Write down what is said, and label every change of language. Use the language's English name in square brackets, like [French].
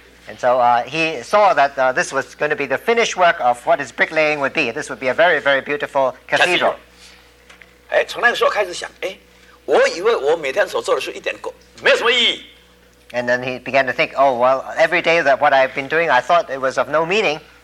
[English] And so he saw that this was going to be the finished work of what his bricklaying would be This would be a very very beautiful cathedral [Chinese] 从那个时候开始想我以为我每天所做的是一点没有什么意义 [English] And then he began to think Oh well every day that what I've been doing I thought it was of no meaning